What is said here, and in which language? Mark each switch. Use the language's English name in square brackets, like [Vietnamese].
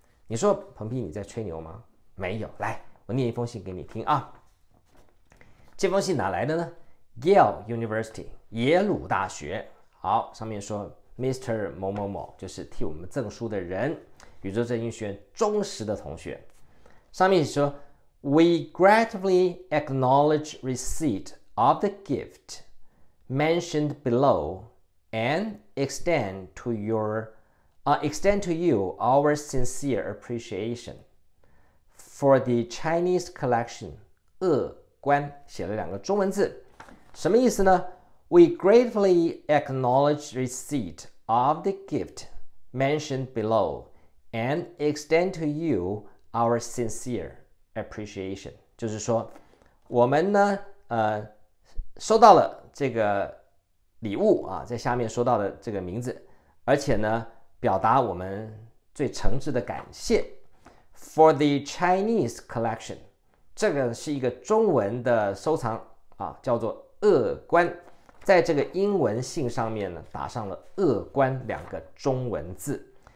[Chinese] 你说彭皮你在吹牛吗？没有，来，我念一封信给你听啊。这封信哪来的呢？Yale University， 耶鲁大学。好，上面说 Mr. 某某某，就是替我们赠书的人，宇宙正音学院忠实的同学。上面说 [English] We gratefully acknowledge receipt of the gift mentioned belowAnd extend to you our sincere appreciation for the Chinese collection. [Chinese] 恶观写了两个中文字，什么意思呢？ [English] We gratefully acknowledge receipt of the gift mentioned below, and extend to you our sincere appreciation. [Chinese] 就是说，我们呢，收到了这个。礼物啊，在下面说到的这个名字，而且呢，表达我们最诚挚的感谢。 [English] For the Chinese collection， [Chinese] 这个是一个中文的收藏啊，叫做恶观，在这个英文信上面呢，打上了恶观两个中文字。